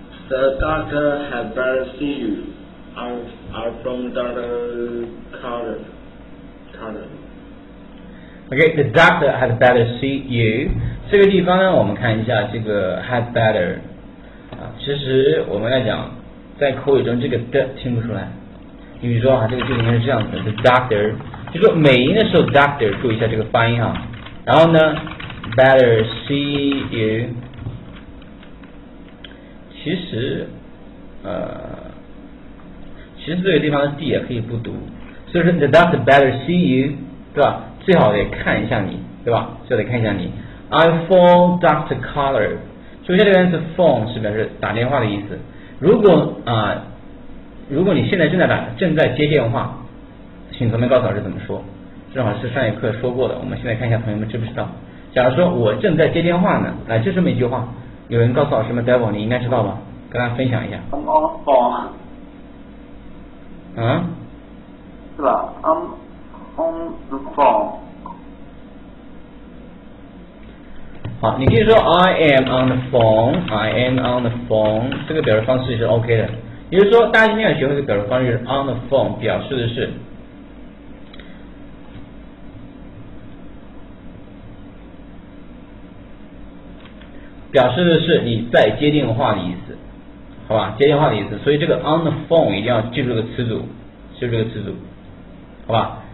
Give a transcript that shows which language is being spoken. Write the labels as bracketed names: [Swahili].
[English] The doctor had better see you. I'm from Dr. Carter. Okay, the doctor had better see you. [Chinese] 这个地方呢，我们看一下这个 had better。其实我们来讲，在口语中这个的听不出来。你比如说啊，这个句子应该是这样子的 ：the doctor， 就说美音的时候 doctor， 注意一下这个发音啊。然后呢 ，better see you。其实其实这个地方的 D 也可以不读，所以说 the doctor better see you，对吧？最好得看一下你，对吧？就得看一下你。 I phone doctor caller，首先这边是 phone 是表示打电话的意思。如果如果你现在正在接电话，请同学告诉老师怎么说。正好是上一课说过的，我们现在看一下同学们知不知道。假如说我正在接电话呢，来就这么一句话，有人告诉老师们 devil， 你应该知道吧？跟大家分享一下。 [English] I'm on phone。啊？是吧？I'm on the phone。 [Chinese] 好，你可以说 I am on the phone， I am on the phone， 这个表示方式是 OK 的。也就是说，大家今天要学会的表示方式是 on the phone， 表示的是你在接电话的意思，好吧？接电话的意思，所以这个 on the phone 一定要记住这个词组，记住这个词组，好吧？